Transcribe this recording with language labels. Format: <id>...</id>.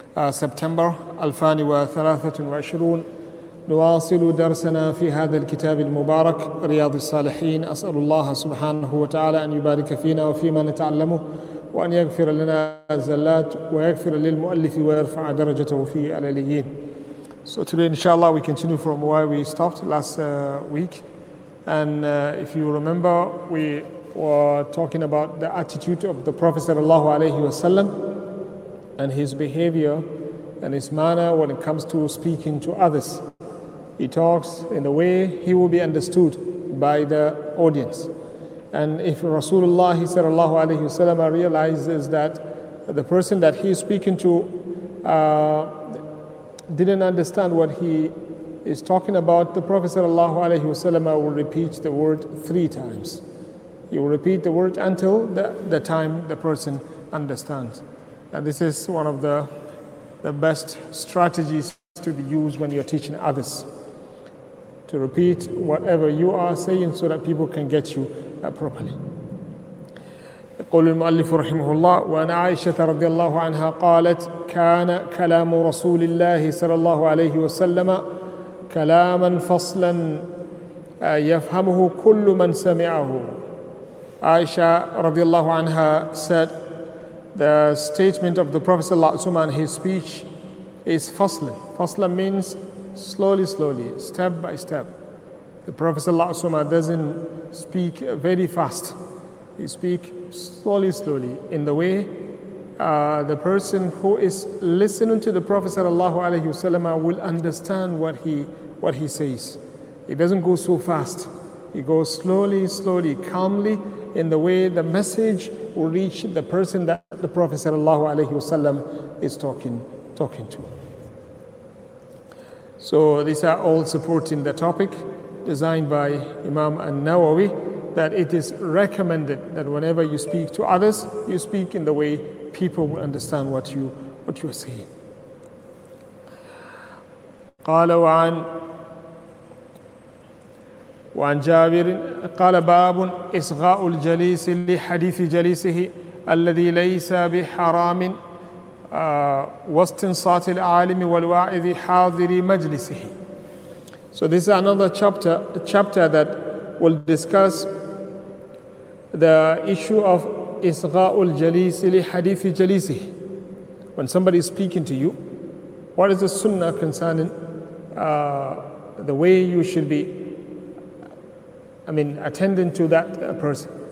<ar>سبتمبر 2023 نواصل درسنا في هذا الكتاب المبارك رياض الصالحين أسأل الله سبحانه وتعالى أن يبارك فينا وفيما نتعلمه وأن يغفر لنا الزلات ويغفر للمؤلف ويرفع درجته في العليين.</ar> <en>So today inshallah we continue from where we stopped last week, and if you remember we were talking about the attitude of the Prophet sallallahu alayhi wa sallam and his behavior and his manner when it comes to speaking to others. He talks in a way he will be understood by the audience. And if Rasulullah sallallahu alayhi wa sallam realizes that the person that he is speaking to didn't understand what he is talking about, the Prophet sallallahu alayhi wa sallam will repeat the word three times. He will repeat the word until the time the person understands. And this is one of the best strategies to be used when you're teaching others. To repeat whatever you are saying so that people can get you properly.</en> <ar>قول المؤلف رحمه الله وأن عائشة رضي الله عنها قالت كان كلام رسول الله صلى الله عليه وسلم كلاما فصلا يفهمه كل من سمعه.</ar> <en>عائشة</en> <ar>رضي الله عنها</ar> <en>said the statement of the Prophet</en> <ar>صلى الله عليه وسلم</ar> <en>and his speech is فصلا. فصلا means slowly, slowly, step by step. The Prophet sallallahu alaihi wasallam doesn't speak very fast. He speaks slowly, slowly, in the way the person who is listening to the Prophet sallallahu alaihi wasallam will understand what he says. He doesn't go so fast. He goes slowly, slowly, calmly, in the way the message will reach the person that the Prophet sallallahu alaihi wasallam is talking to. So these are all supporting the topic designed by Imam An-Nawawi, that it is recommended that whenever you speak to others, you speak in the way people will understand what you are saying.</en> <ar>قال وعن جابر قال باب إصغاء الجليس لحديث جليسه الذي ليس بحرام واستنصات العالم والواعظ حاضر مجلسه.</ar> <en>So this is another chapter that will discuss the issue of isgha'ul jalis li hadith jalisih. When somebody is speaking to you, what is the sunnah concerning the way you should be attending to that person?</en>